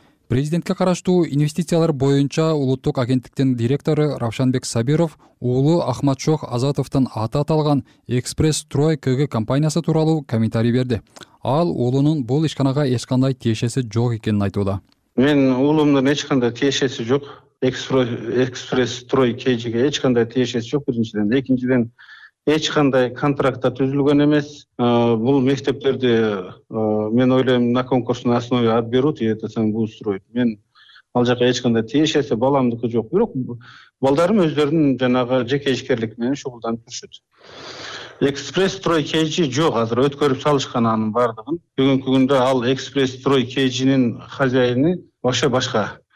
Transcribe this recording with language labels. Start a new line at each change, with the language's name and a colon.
Kyrgyz: Президентке караштуу инвестициялар боюнча улуттук агенттиктин директору Равшанбек Сабиров уулу Ахматшох Азатовдун аты аталган Экспресс Строй КГ компаниясы тууралуу комментарий берди. Ал уулунун бул ишканага эч кандай тиешеси жок экенин айтууда. Мен уулумдун эч кандай тиешеси жок. Экспресс Строй КГге эч кандай тиешеси жок биринчиден. Экинчиден эч кандай контракта түзүлгөн эмес. Бул мектептерди мен ойлойм
Russian: на конкурсной основе отберут и это сам будут строить.
Kyrgyz: Мен ал жака эч кандай тиешеси баламдыкы жок. Бирок балдарым өздөрүнүн жанагы жеке ишкерлик менен шугулданып жүрүшөт. Экспресс Строй КЖ жок азыр өткөрүп салышкан анын бардыгын. Бүгүнкү күндө ал Экспресс Строй КЖ'нин хозяини
Russian: вообще
Kyrgyz: башка.